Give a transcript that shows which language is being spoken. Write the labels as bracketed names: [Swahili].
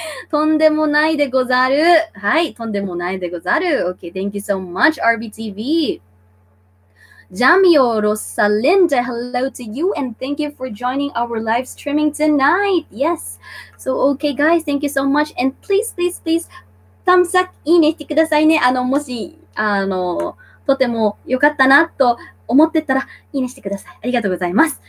[Japanese] とんでもないでござる。はい、とんでもないでござる。 [English] Okay, thank you so much, RBTV. Jamio Rosalinda, hello to you, and thank you for joining our live streaming tonight. Yes. So okay, guys, thank you so much, and please, please, please. Thumbs up [Japanese] いいねしてくださいね。あの、もし、あの、とても良かったなと思ってたら、いいねしてください。ありがとうございます。